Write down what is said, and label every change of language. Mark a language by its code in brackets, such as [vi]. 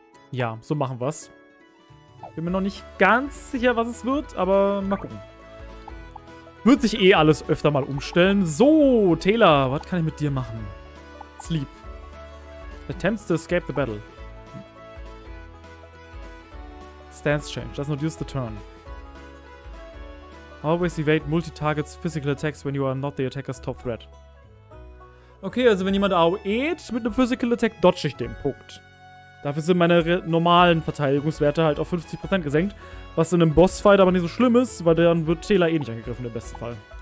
[de] Ja, so machen wir's. Bin mir noch nicht ganz sicher, was es wird, aber mal gucken. Wird sich eh alles öfter mal umstellen. So, Taylor, was kann ich mit dir machen? [en] Sleep. Attempts to escape the battle. Stance change. Does not use the turn. Always evade multi-targets physical attacks when you are not the attacker's top threat. [de] Okay, also wenn jemand AOE't mit einem physical attack, dodge ich den Punkt. Dafür sind meine normalen Verteidigungswerte halt auf 50% gesenkt. Was in einem Bossfight aber nicht so schlimm ist, weil dann wird Taylor eh nicht angegriffen, im besten Fall.